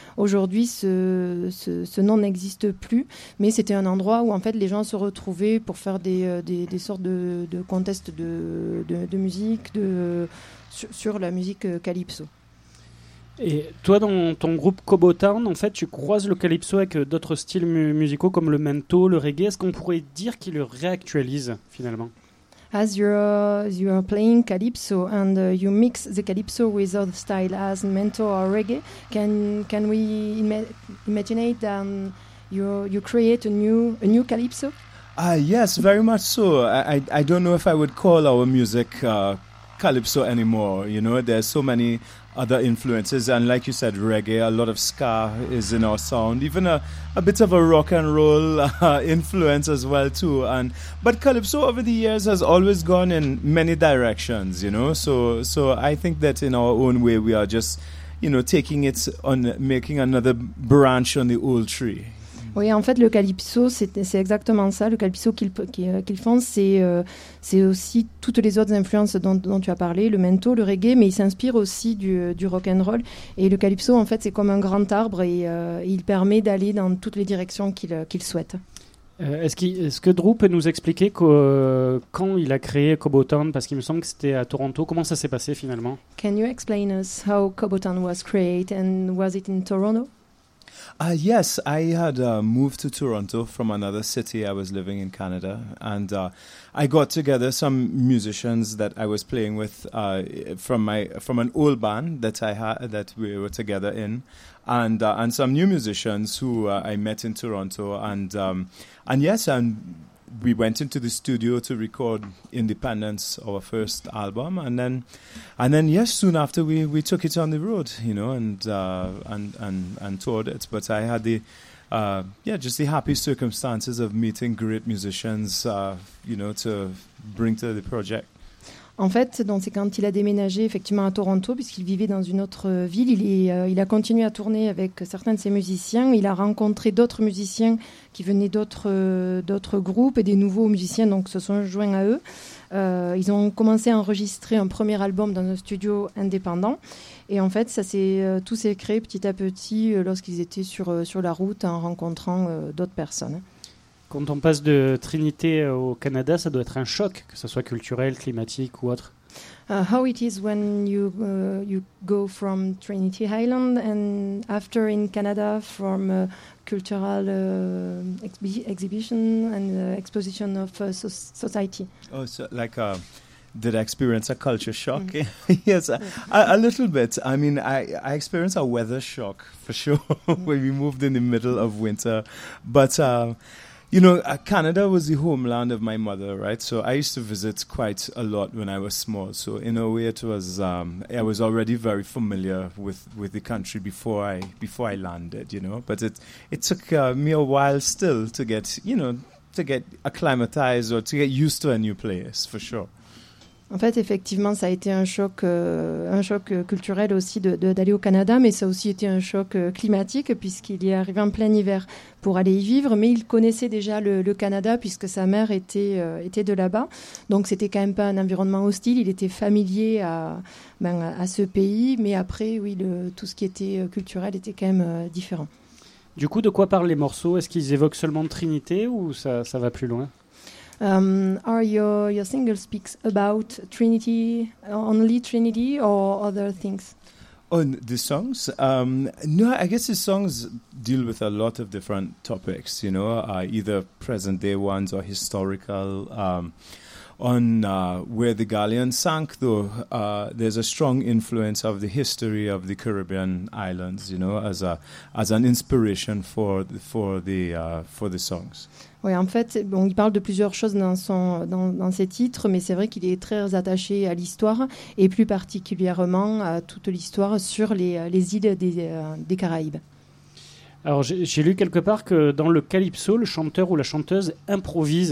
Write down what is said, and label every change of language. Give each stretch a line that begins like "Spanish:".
French: Aujourd'hui, ce nom n'existe plus, mais c'était un endroit où en fait les gens se retrouvaient pour faire des sortes de contests de musique sur la musique calypso. Et toi, dans ton groupe Cobotown, en fait, tu croises le calypso avec d'autres styles musicaux comme le mento, le reggae. Est-ce qu'on pourrait dire qu'il le réactualise finalement?
English: As you are playing calypso and you mix the calypso with other styles as mento or reggae, can we imagine that you create a new calypso? Yes, very much so. I don't know if I would call our music calypso anymore. You know, there's so many other influences, and like you said, reggae, a lot of ska is in our sound, even a bit of a rock and roll influence as well too. And but calypso over the years has always gone in many directions, you know. So I think that in our own way we are just, you know, taking it on, making another branch on the old tree.
French: Oui, en fait, le calypso, c'est exactement ça. Le calypso qu'ils font, c'est aussi toutes les autres influences dont tu as parlé, le mento, le reggae, mais ils s'inspirent aussi du rock'n'roll. Et le calypso, en fait, c'est comme un grand arbre et il permet d'aller dans toutes les directions qu'il souhaite. Est-ce que Drew peut nous expliquer quand il a créé Kobotan, parce qu'il me semble que c'était à Toronto. Comment ça s'est passé, finalement?
English: Can you explain us how Kobotan was created and was it in Toronto? Yes, I had moved to Toronto from another city. I was living in Canada, and I got together some musicians that I was playing with from an old band that I had that we were together in, and some new musicians who I met in Toronto, and we went into the studio to record Independence, our first album, and then soon after we took it on the road, you know, and toured it. But I had the happy circumstances of meeting great musicians, you know, to bring to the project.
French: En fait, donc c'est quand il a déménagé effectivement à Toronto, puisqu'il vivait dans une autre ville, il a continué à tourner avec certains de ses musiciens. Il a rencontré d'autres musiciens qui venaient d'autres groupes, et des nouveaux musiciens donc se sont joints à eux. Ils ont commencé à enregistrer un premier album dans un studio indépendant. Et en fait, tout s'est créé petit à petit lorsqu'ils étaient sur la route en rencontrant d'autres personnes. Quand on passe de Trinité au Canada, ça doit être un choc, que ce soit culturel, climatique ou autre.
English: How it is when you go from Trinity Island and after in Canada from a cultural exhibition and exposition of society? Oh, so like, did I experience a culture shock? Mm. Yes, a little bit. I mean, I experienced a weather shock for sure when we moved in the middle of winter. But you know, Canada was the homeland of my mother, right? So I used to visit quite a lot when I was small. So in a way, it was I was already very familiar with the country before I landed, you know. But it took me a while still to get, you know, to get acclimatized or to get used to a new place, for sure.
French: En fait, effectivement, ça a été un choc culturel aussi d'aller au Canada, mais ça a aussi été un choc climatique, puisqu'il est arrivé en plein hiver pour aller y vivre. Mais il connaissait déjà le Canada, puisque sa mère était de là-bas. Donc, c'était quand même pas un environnement hostile. Il était familier à ce pays. Mais après, oui, tout ce qui était culturel était quand même différent. Du coup, de quoi parlent les morceaux? Est-ce qu'ils évoquent seulement Trinité ou ça va plus loin?
English: Are your single speaks about Trinity, only Trinity, or other things? On the songs? No, I guess the songs deal with a lot of different topics, you know, either present-day ones or historical. Where the Galleon sank, though, there's a strong influence of the history of the Caribbean islands, you know, as an inspiration for the songs.
French: Oui, en fait, bon, il parle de plusieurs choses dans ses titres, mais c'est vrai qu'il est très attaché à l'histoire, et plus particulièrement à toute l'histoire sur les îles des Caraïbes. Alors, j'ai lu quelque part que dans le calypso, le chanteur ou la chanteuse improvise.